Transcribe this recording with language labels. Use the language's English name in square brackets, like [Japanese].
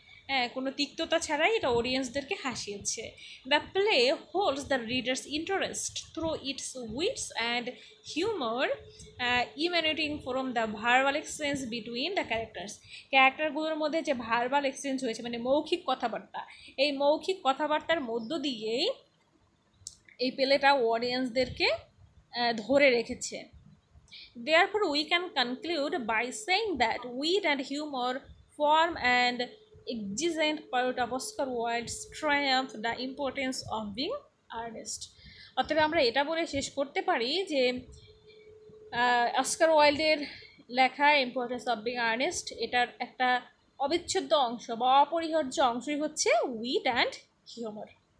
[Bangla] হ্যাঁ, কোনো তিক্ততা ছাড়াই এটা অডিয়েন্সদেরকে হাসিয়েছে। [English] The play holds the readers interest through its wits and humour emanating from the verbal exchange between the characters. [Bangla] ক্যারেক্টারগুলোর মধ্যে যে ভার্বাল এক্সচেঞ্জ হয়েছে, মানে মৌখিক কথাবার্তা, এই মৌখিক কথাবার্তার মধ্য দিয়েই এই প্লেটা অডিয়েন্সদেরকে ধরে রেখেছে। [English] Therefore, we can conclude by saying that wit and humor form an exigent part of Oscar Wilde's triumph, the importance of being earnest. [Bangla] অতএব আমরা এটা বলে শেষ করতে পারি যে অস্কার ওয়াইল্ডের লেখা ইম্পর্টেন্স অফ বিং আর্নেস্ট এটার একটা অবিচ্ছেদ্য অংশ বা অপরিহার্য অংশই হচ্ছে [English] wit and humor.